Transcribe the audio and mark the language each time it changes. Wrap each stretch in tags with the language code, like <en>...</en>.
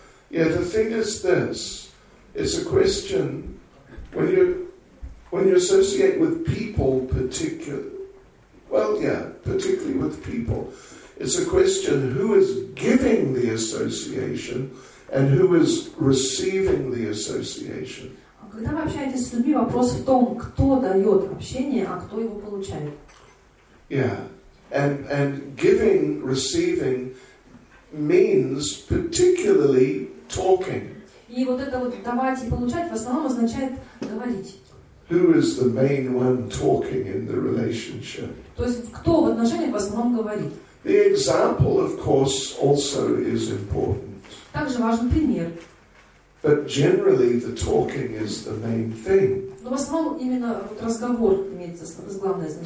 <en>Yeah, the thing is this, it's a question, when you associate with people particularly with people, it's a question who is giving the association and who is receiving the association.</en> <ru>Когда вы общаетесь с людьми, вопрос в том, кто дает общение, а кто его получает.</ru> <en>Yeah, and giving, receiving means particularly talking.</en> <ru>И вот это вот давать и получать в основном означает говорить.</ru> <en>Who is the main one talking in the relationship?</en> <ru>То есть кто в отношениях в основном говорит?</ru> <en>The example, of course, also is important.</en> <ru>Также важен пример.</ru> <en>But generally, the talking is the main thing.</en> <ru>Но в основном именно вот разговор имеет главное значение.</ru>